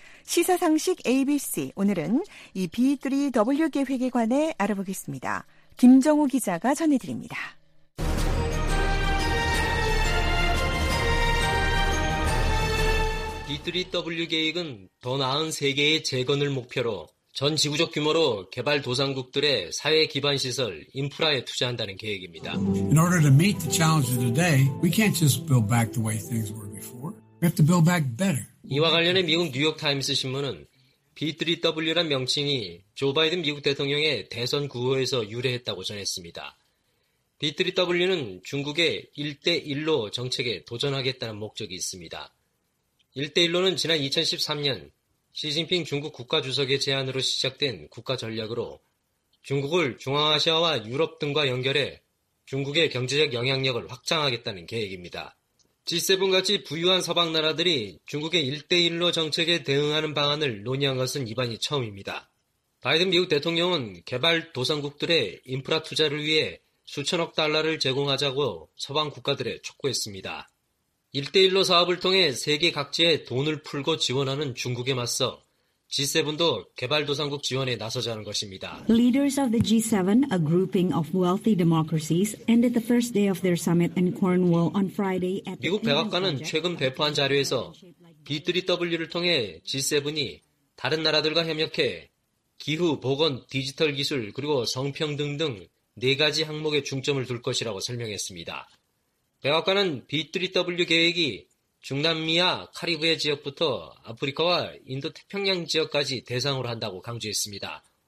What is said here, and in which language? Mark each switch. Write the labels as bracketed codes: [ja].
[ko] 시사상식 ABC, 오늘은 이 B3W 계획에 관해 알아보겠습니다. 김정우 기자가 전해드립니다. G3W 계획은 더 나은 세계의 재건을 목표로 전 지구적 규모로 개발 도상국들의 사회 기반 시설, 인프라에 투자한다는 계획입니다. [en] In order to meet the challenges of today, we can't just build back the way things were before. We have to build back better. [ko] 이와 관련해 미국 뉴욕타임스 신문은 B3W란 명칭이 조 바이든 미국 대통령의 대선 구호에서 유래했다고 전했습니다. B3W는 중국의 일대일로 정책에 도전하겠다는 목적이 있습니다. 일대일로는 지난 2013년 시진핑 중국 국가주석의 제안으로 시작된 국가전략으로 중국을 중앙아시아와 유럽 등과 연결해 중국의 경제적 영향력을 확장하겠다는 계획입니다. G7같이 부유한 서방 나라들이 중국의 일대일로 정책에 대응하는 방안을 논의한 것은 이번이 처음입니다. 바이든 미국 대통령은 개발 도상국들의 인프라 투자를 위해 수천억 달러를 제공하자고 서방 국가들에 촉구했습니다. 일대일로 사업을 통해 세계 각지에 돈을 풀고 지원하는 중국에 맞서 G7도 개발도상국 지원에 나서자는 것입니다. [en] Leaders of the G7, a grouping of wealthy democracies, ended the first day of their summit in Cornwall on Friday. [ko] 미국 백악관은 최근 배포한 자료에서 B3W를 통해 G7이 다른 나라들과 협력해 기후, 보건, 디지털 기술, 그리고 성평 등등 네 가지 항목에 중점을 둘 것이라고 설명했습니다. 백악관은 B3W 계획이 중남미와 카리브해 지역부터 아프리카와 인도 태평양 지역까지 대상으로 한다고 강조했습니다.